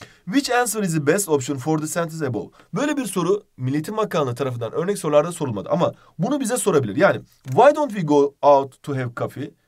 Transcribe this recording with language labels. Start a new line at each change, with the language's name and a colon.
English: Which answer is the best option for the sentence above?
Turkish: Böyle bir soru Milli Eğitim Bakanlığı tarafından örnek sorularda sorulmadı. Ama bunu bize sorabilir.
English: Yani why don't we go out to have coffee?